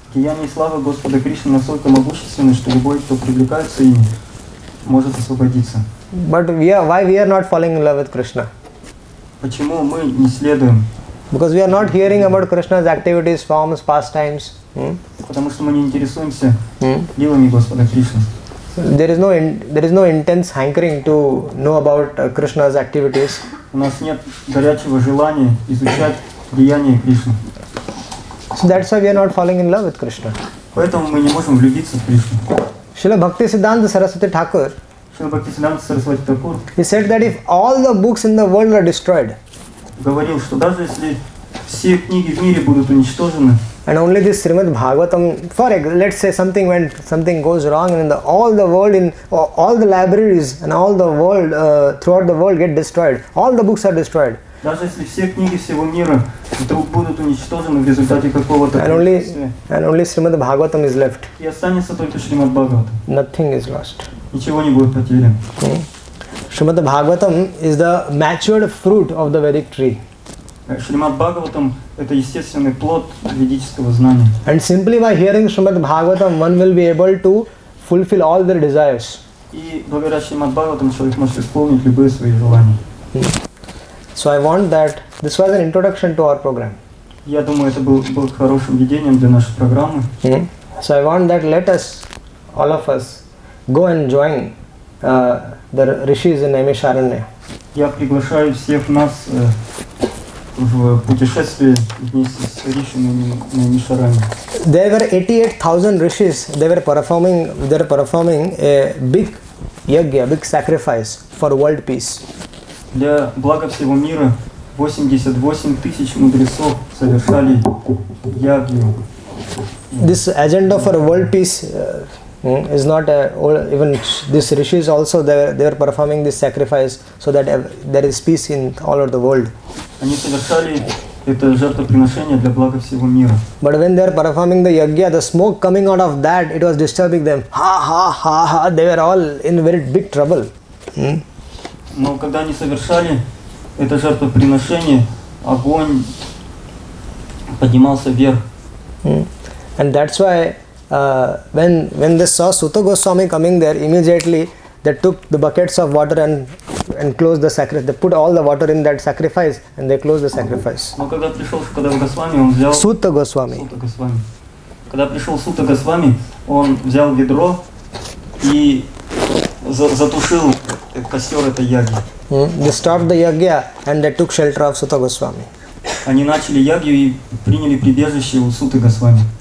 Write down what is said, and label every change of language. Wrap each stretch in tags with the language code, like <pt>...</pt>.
<ru>Деяния и слава Господа Кришны настолько могущественны, что любой, кто привлекается им, может освободиться.</ru> <en>But why we are not falling in love with Krishna?</en> <ru>Почему мы не следуем?</ru> <en>Because we are not hearing about Krishna's activities, forms, pastimes.</en> <ru>Потому что мы не интересуемся делами Господа Кришны.</ru> <en>There is no intense hankering to know about Krishna's activities.</en> <ru>У нас нет горячего желания изучать деяния Кришны.</ru> <en>So that's why we are not falling in love with Krishna.</en> <ru>Поэтому мы не можем влюбиться в Кришну. Шрила Бхакти Сиддханта Сарасвати Тхакур.</ru> <en>He said that if all the books in the world are destroyed.</en> <ru>Говорил, что даже если все книги в мире будут уничтожены.</ru> <en>And only this Srimad Bhagavatam, let's say something goes wrong and all the libraries and all the world, throughout the world get destroyed. All the books are destroyed.</en> <ru>Даже если все книги всего мира вдруг будут уничтожены в результате какого-то</ru> <en>And only Srimad Bhagavatam is left.</en> <ru>И останется только Srimad Bhagavatam.</ru> <en>Nothing is lost.</en> <ru>Ничего не будет потеряно.</ru> <en>Srimad Bhagavatam is the matured fruit of the Vedic tree.</en> <ru>Шримад Бхагаватам – это естественный плод ведического знания.</ru> <en>And simply by hearing Шримад Бхагаватам, one will be able to fulfill all their desires.</en> <ru>И благодаря Шримад Бхагаватам человек может исполнить любые свои желания.</ru> <en>So I want that this was an introduction to our program.</en> <ru>Я думаю, это было хорошим введением для нашей программы.</ru> <en>So I want that let us, all of us, go and join the rishis in Naimisharanya.</en> <ru>Я приглашаю всех нас в путешествие вместе с ришами на Нишаране.</ru> <en>There were 88,000 rishis. They were performing a big yagya, big sacrifice for world peace.</en> <ru>Для блага всего мира 88,000 мудрецов совершали ягью.</ru> <en>This agenda for world peace is not even this rishis also they are performing this sacrifice so that there is peace in all over the world.</en> <ru>Они совершали это жертвоприношение для блага всего мира.</ru> <en>But when they are performing the yagya, the smoke coming out of that, it was disturbing them. Ha ha ha ha! They were all in very big trouble.</en> <ru>Но когда они совершали это жертвоприношение, огонь поднимался вверх.</ru> <en>And that's why when they saw Suta Goswami coming there, immediately they took the buckets of water and closed the sacrifice. They put all the water in that sacrifice and they closed the sacrifice.</en> <ru>Но когда пришел Сута Госвами, он взял Сута Госвами. Когда пришел Сута Госвами, он взял ведро и затушил костер этой яги.</ru> <en>They stopped the yagya and they took shelter of Suta Goswami.</en> <ru>Они начали ягью и приняли прибежище у Суты Госвами.</ru>